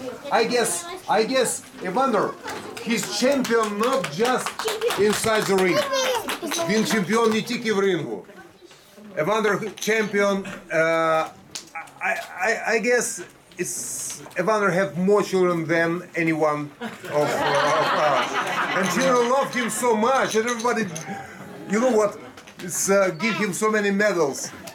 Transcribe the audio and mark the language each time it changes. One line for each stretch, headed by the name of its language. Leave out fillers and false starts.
English: I guess, Evander, he's champion not just inside the ring.
Ukrainian: Він чемпіон не тільки в рингу.
English: Evander champion, I guess it's Evander have more children than anyone of us. And children love him so much, and everybody, you know what, it's, give him so many medals.